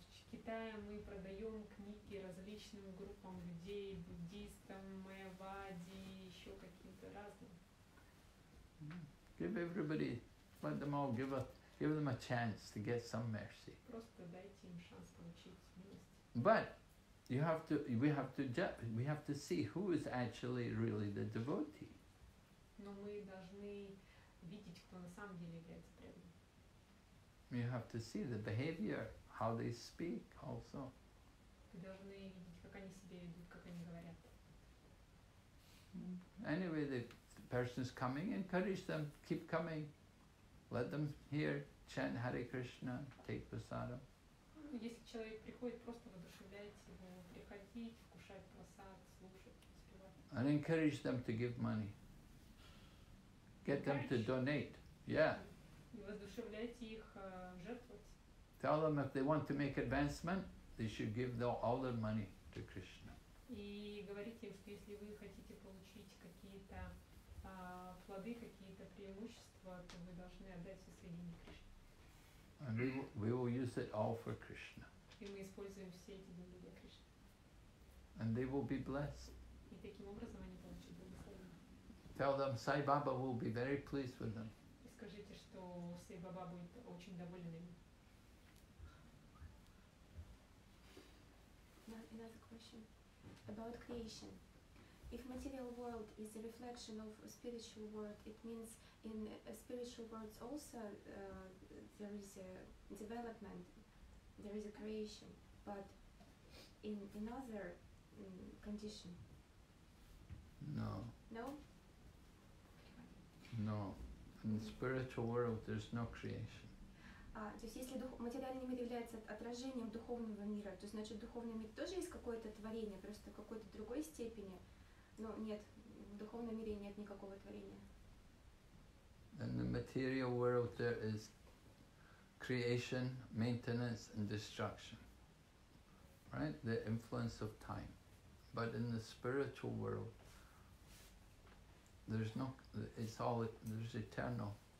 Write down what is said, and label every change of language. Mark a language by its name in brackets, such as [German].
[Russian] В Китае мы продаем книги различным группам людей, буддистам, майявади, еще каким-то разным. [English] Give everybody, let them all give them a chance to get some mercy. [Russian] Просто дайте им шанс получить милость. [English] But you have to, we have to see who is actually really the devotee. [Russian] Но мы должны видеть, кто на самом деле является преданным. [English] You have to see the behavior. How they speak also. [Russian] Вы должны видеть, как они себя ведут, как они говорят. [English] Anyway, the person is coming, encourage them, keep coming. Let them hear, chant Hare Krishna, take prasadam. [Russian] Если человек приходит, просто воодушевляйте его, приходить, вкушать прасад, слушать, успевать. [English] And encourage them to give money. Get them to donate. Yeah. [Russian] И воодушевляйте их жертвовать. [English] Tell them if they want to make advancement, they should give all their money to Krishna. [Russian] И говорите им, что если вы хотите получить какие-то плоды, какие-то преимущества, то вы должны отдать все свои деньги Кришне. [English] And we will use it all for Krishna. [Russian] И мы используем все эти деньги для Кришны. [English] And they will be blessed. [Russian] И таким образом они получат благословение. [English] Tell them Sai Baba will be very pleased with them. [Russian] И скажите, что Сай Баба будет очень доволен им. [English] Another question about creation. If material world is a reflection of a spiritual world, it means in a spiritual world also there is a development, there is a creation, but in another condition? No. No? No. In the spiritual world, there's no creation. [Russian] То есть если материальный мир является отражением духовного мира, то значит в духовном мире тоже есть какое-то творение, просто в какой-то другой степени. Но нет, в духовном мире нет никакого творения. [English] In the material world there is creation, maintenance and destruction. Right? The influence of time. But in the spiritual world there's no, it's all, there's eternal.